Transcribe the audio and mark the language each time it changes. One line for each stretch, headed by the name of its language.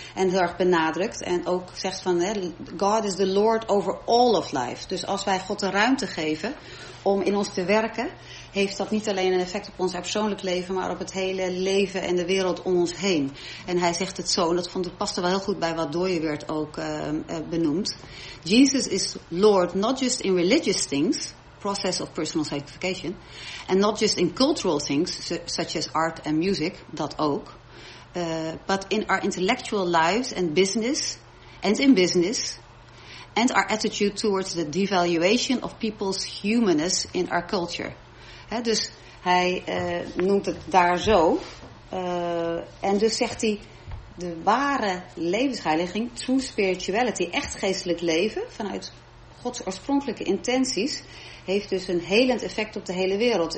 Dutch: En heel erg benadrukt. En ook zegt van
English: God is the Lord over all of life.
Dutch: Dus als wij God de ruimte geven om in ons te werken, heeft dat niet alleen een effect op ons persoonlijk leven, maar op het hele leven en de wereld om ons heen. En hij zegt het zo, en dat past wel heel goed bij wat Dorje Weerts ook benoemd.
English: Jesus is Lord not just in religious things, process of personal sanctification, and not just in cultural things, such as art and music,
Dutch: dat ook,
English: but in our intellectual lives and business, and in business, and our attitude towards the devaluation of people's humanness in our culture.
Dutch: He, dus hij noemt het daar zo. En dus zegt hij, de ware levensheiliging,
English: true spirituality,
Dutch: echt geestelijk leven, vanuit Gods oorspronkelijke intenties, heeft dus een helend effect op de hele wereld.